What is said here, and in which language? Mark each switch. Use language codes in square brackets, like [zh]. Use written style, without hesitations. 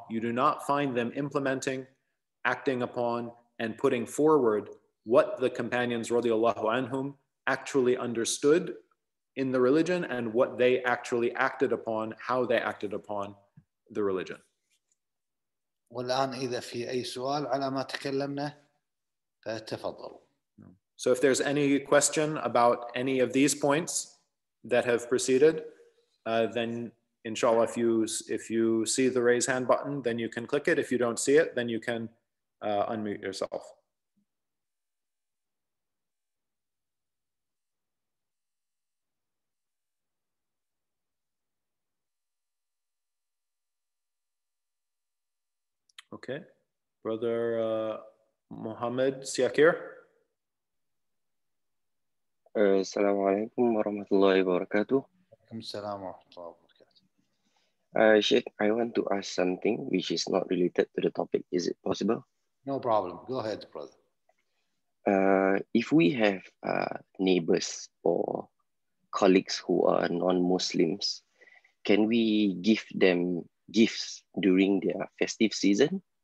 [en] You do not find them implementing, acting upon and putting forward what the companions radiallahu anhum actually understood in the religion and what they actually acted upon, how they acted upon the religion. [ar] والآن إذا في أي سؤال على ما تكلمنا فتفضل. [en] So if there's any question about any of these points that have preceded, then inshallah, if you see the raise hand button, then you can click it. If you don't see it, then you can unmute yourself. Okay, brother Muhammad Siakir. [ar] السلام عليكم ورحمة الله وبركاته. عليكم السلام ورحمة الله وبركاته. [en] Sheikh, I want to ask something which is not related to the topic. Is it possible? No problem. Go ahead, brother. If we have neighbors or colleagues who are non-Muslims, can we give them gifts during their festive season?